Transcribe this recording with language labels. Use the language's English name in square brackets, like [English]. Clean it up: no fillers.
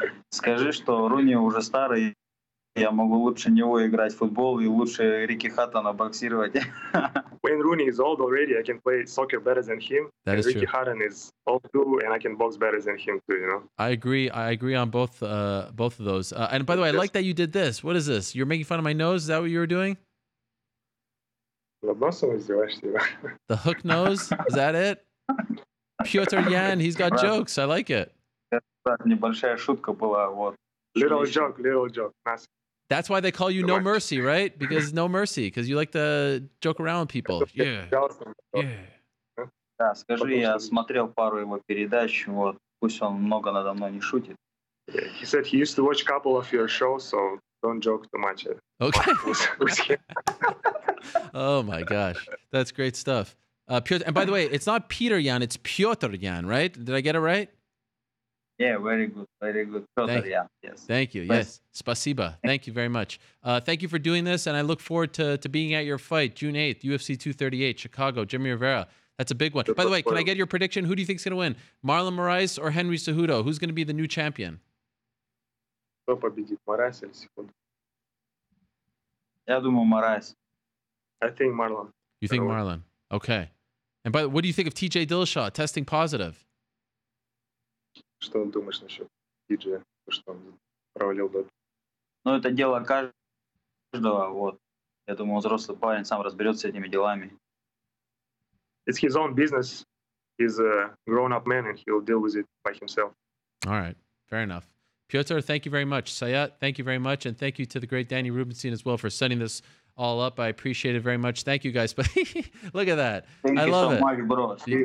[Russian] Скажи, что Руни уже старый. Я могу лучше него играть в футбол и лучше Рики Хаттона боксировать. [English] Wayne Rooney is old already. I can play soccer better than him. That and is Ricky true. Hatton is old too, and I can box better than him too. You know. I agree. I agree on both of those. And by the way, I like that you did this. What is this? You're making fun of my nose. Is that what you were doing? The hook nose. Is that it? Piotr Yan. He's got jokes. I like it. [Russian] Небольшая шутка была вот. [English] Little joke. Nice. That's why they call you No Mercy, right? Because No Mercy, because you like to joke around people. Yeah. [Russian] Да, скажи, я смотрел пару его передач, вот, пусть он много надо мной не шутит. [English] He said he used to watch a couple of your shows, so don't joke too much. Okay. Oh my gosh, that's great stuff. Piotr, and by the way, it's not Peter Yan, it's Piotr Yan, right? Did I get it right? Yeah, very good. Yes. Thank you. Yes. [Russian] Спасибо. [English] Thank you very much. Thank you for doing this, and I look forward to being at your fight, June 8th, UFC 238, Chicago, Jimmy Rivera. That's a big one. By the way, can I get your prediction? Who do you think is going to win, Marlon Moraes or Henry Cejudo? Who's going to be the new champion? [Russian] Кто победит, Moraes или Cejudo? Я думаю Moraes. [English] I think Marlon. You think Marlon? Okay. And by the way, what do you think of TJ Dillashaw testing positive? [Russian] Что ты думаешь насчет диджея, что он провалил допинг? Ну, это дело каждого, вот. Я думаю, взрослый парень сам разберется с этими делами. [English] It's his own business. he's a grown-up man and he'll deal with it by himself. All right. Fair enough. Piotr, thank you very much. Sayat, thank you very much. And thank you to the great Danny Rubenstein as well for setting this all up. I appreciate it very much. Thank you, guys. But look at that. Thank you so much, bro.